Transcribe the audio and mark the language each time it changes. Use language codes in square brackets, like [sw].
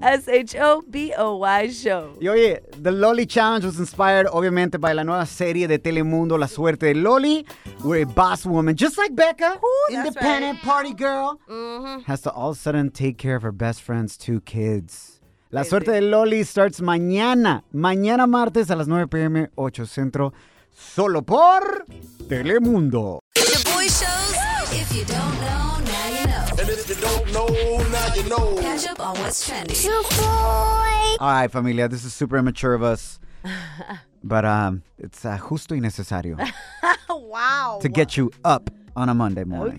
[en] S-H-O-B-O-Y Show. [es] Y oye, [en] the Loli Challenge was inspired, [es] obviamente, [en] by [es] la nueva serie de Telemundo, [en] La Suerte de Loli, where a boss woman, just like Becca, independent party girl, has to all of a sudden take care of her best friend's 2 kids. [es] La Suerte de Loli [en] starts [es] mañana martes a las 9 p.m., 8 centro, solo por Telemundo. [en] Shaboy Shows, if you don't know. And if you don't know, now you know. Catch up on what's trending. Shoo boy! All right, familia, this is super immature of us. But it's [es] justo y necesario. [en] Wow. To get you up on a Monday morning.